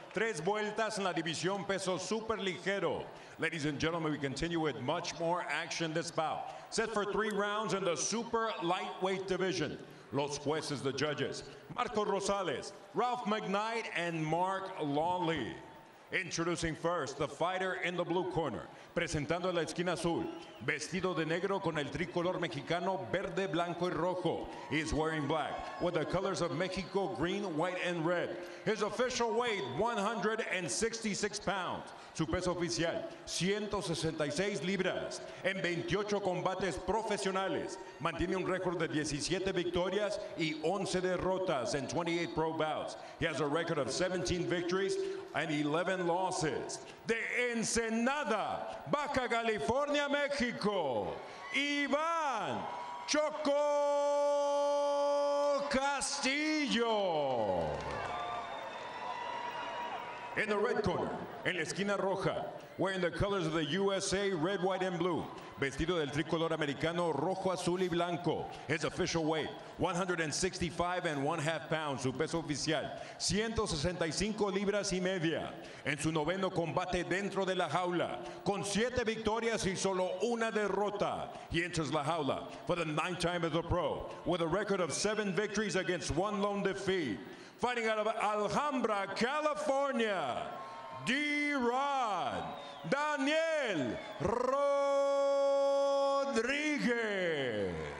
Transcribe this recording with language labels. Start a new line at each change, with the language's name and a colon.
Spanish: Tres vueltas en la división peso super ligero.
English: Ladies and gentlemen, we continue with much more action this bout. Set for three rounds in the super lightweight division.
Spanish: Los jueces,
English: the judges,
Spanish: Marco Rosales, Ralph McKnight, and Mark Lawley.
English: Introducing first, the fighter in the blue corner.
Spanish: Presentando la esquina azul, vestido de negro con el tricolor mexicano verde, blanco y rojo.
English: He is wearing black with the colors of Mexico, green, white, and red. His official weight, 166 pounds.
Spanish: Su peso oficial, 166 libras. En 28 combates profesionales, mantiene un récord de 17 victorias y 11 derrotas en 28
English: pro bouts. He has a record of 17 victories and 11 losses.
Spanish: De Ensenada, Baja California, México, Iván Choco Castillo.
English: In the red corner,
Spanish: en la esquina roja,
English: wearing the colors of the USA, red, white, and blue.
Spanish: Vestido del tricolor americano, rojo, azul y blanco.
English: His official weight, 165 and one half pounds.
Spanish: Su peso oficial, 165 libras y media. En su noveno combate dentro de la jaula, con 7 victorias y solo una derrota.
English: He enters la jaula for the ninth time as a pro, with a record of 7 victories against 1 lone defeat. Fighting out of Alhambra, California, D-Rod Daniel Rodriguez.